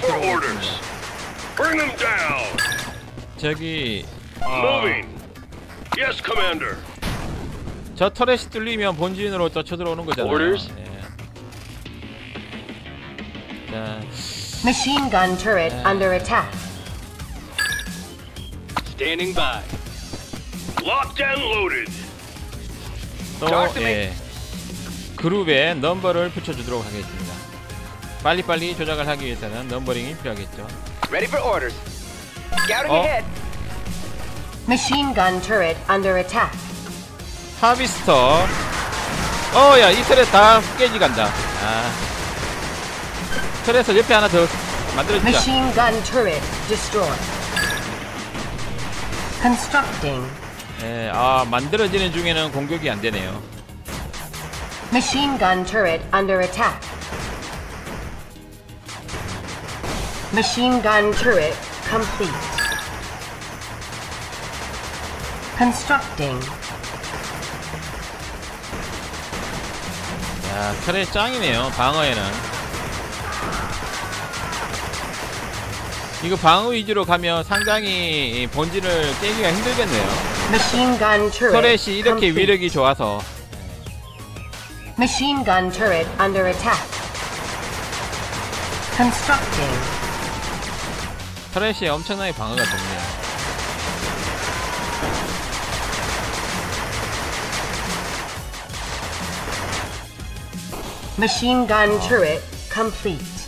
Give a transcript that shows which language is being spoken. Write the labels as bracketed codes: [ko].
[ko] 들어. [en] Bring them down. [ko] 저기 [en] Moving. Yes, Commander. [ko] 저 터렛이 뚫리면 본진으로 또 쳐들어오는 거잖아요. [en] Orders. [ko] 예. [en] Machine gun turret under attack. Standing by. Locked and loaded. [ko] 또 예. 그룹에 넘버를 붙여주도록 하겠습니다. 빨리빨리 조작을 하기 위해서는 넘버링이 필요하겠죠. [en] Ready for orders. Scouting ahead. Machine gun turret under attack. [ko] 하비스터. 어야 이 터렛 다 깨지 간다. 아. 터렛을 옆에 하나 더 만들어주자. [en] Machine gun turret destroyed. Constructing. [ko] 예, 아 만들어지는 중에는 공격이 안 되네요. [en] Machine gun turret under attack. Machine gun turret complete. Constructing. [ko] 야, 터렛 짱이네요. 방어에는. 이거 방어 위주로 가면 상당히 본진을 깨기가 힘들겠네요. 터렛이 이렇게 위력이 좋아서. [en] Machine gun turret under attack. Constructing. [ko] 터렛이 엄청나게 방어가 좋네요. [en] Machine gun turret complete.